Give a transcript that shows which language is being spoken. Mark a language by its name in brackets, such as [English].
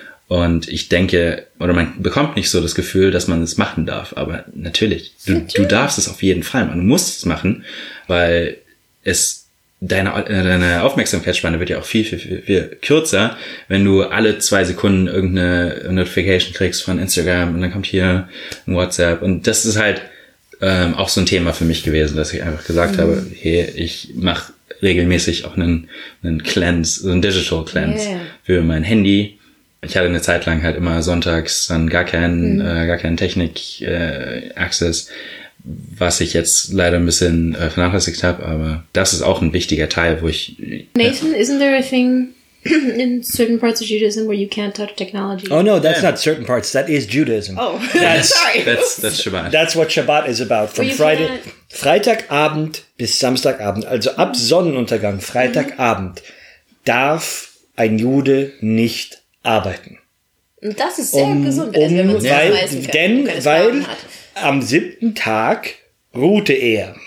[German] Und ich denke, oder man bekommt nicht so das Gefühl, dass man es machen darf, aber natürlich, du darfst es auf jeden Fall, man muss es machen, weil es, deine Aufmerksamkeitsspanne wird ja auch viel kürzer, wenn du alle 2 Sekunden irgendeine Notification kriegst von Instagram und dann kommt hier ein WhatsApp, und das ist halt auch so ein Thema für mich gewesen, dass ich einfach gesagt habe, hey, ich mache regelmäßig auch einen Cleanse, so einen Digital Cleanse für mein Handy. Ich hatte eine Zeit lang halt immer sonntags dann gar keinen Technik-Access, was ich jetzt leider ein bisschen vernachlässigt habe, aber das ist auch ein wichtiger Teil, wo ich... [English] Nathan, isn't there a thing in certain parts of Judaism where you can't touch technology? Oh no, that's not certain parts, that is Judaism. Oh, that's, sorry. That's Shabbat. That's what Shabbat is about. From Friday, [German] Freitagabend bis Samstagabend, also ab Sonnenuntergang, Freitagabend, darf ein Jude nicht arbeiten. Das ist sehr gesund, wenn man es weiß. Weil am 7. Tag ruhte er.